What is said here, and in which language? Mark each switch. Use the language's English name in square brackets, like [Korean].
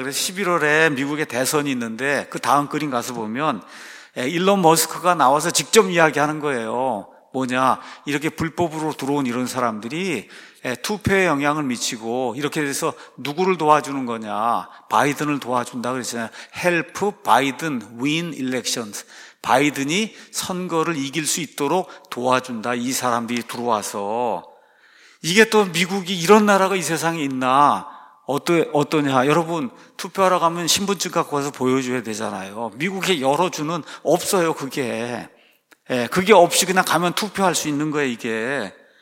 [Korean] 그래서 11월에 미국에 대선이 있는데 그 다음 그림 가서 보면 일론 머스크가 나와서 직접 이야기하는 거예요. 뭐냐, 이렇게 불법으로 들어온 이런 사람들이 투표에 영향을 미치고 이렇게 돼서 누구를 도와주는 거냐, 바이든을 도와준다 그랬잖아요. [English] Help Biden win elections. [Korean] 바이든이 선거를 이길 수 있도록 도와준다. 이 사람들이 들어와서. 이게 또 미국이 이런 나라가 이 세상에 있나, 어떠냐. 여러분, 투표하러 가면 신분증 갖고 와서 보여줘야 되잖아요. 미국에 열어주는 없어요, 그게. 그게 없이 그냥 가면 투표할 수 있는 거예요, 이게.